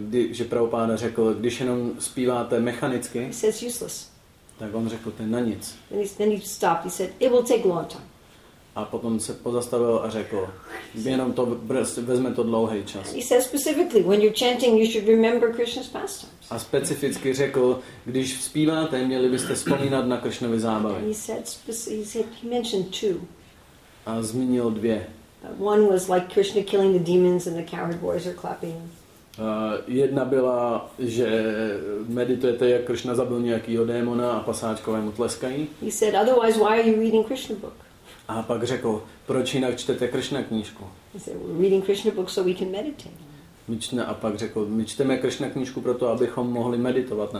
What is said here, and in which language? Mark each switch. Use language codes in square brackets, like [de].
[cs] Že Prabhupada řekl, když jenom zpíváte mechanicky. [en] He says useless. [cs] Tak on řekl, to je na nic. [en] Then he stopped. He said, it will take long time. [cs] A potom se pozastavil a řekl, jenom to vezme to dlouhý čas. [en] He says specifically, when you're chanting, you should remember Krishna's pastimes. [cs] A specificky řekl, když zpíváte, měli byste vzpomínat na Krishnovy zábavy. [en] He said, he mentioned two. [cs] A zmínil dvě. [en] One was like Krishna killing the demons and the coward boys are clapping. [cs] Jedna byla, že meditujete, jak Krishna zabil nějakýho démona a pasáčkové mu tleskají. [en] He said, otherwise, why are you reading Krishna book? [cs] A pak řekl, proč jinak čtete Krishna knížku? [en] He said, we're reading Krishna book so we can meditate. [cs] A pak řekl, my čteme Krishna knížku proto, abychom mohli meditovat na